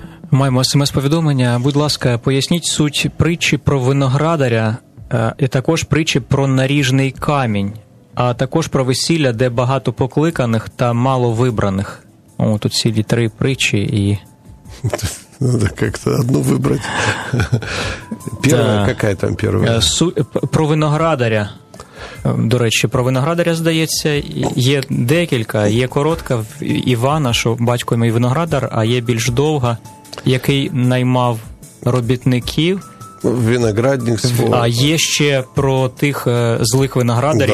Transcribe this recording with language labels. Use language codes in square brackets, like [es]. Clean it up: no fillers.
[uk] Маємо смс-повідомлення. Будь ласка, поясніть суть притчі про виноградаря і також притчі про наріжний камінь, а також про весілля, де багато покликаних та мало вибраних. О, тут цілі три притчі і... [ru] Надо как-то одну [uk] вибрати. [ru] Первая, какая там первая? [uk] Про виноградаря. До речі, про виноградаря, здається, є декілька. Є коротка в Івана, що батько мій виноградар, а є більш довга, який наймав робітників. Виноградник свого. А є ще про тих злих виноградарів,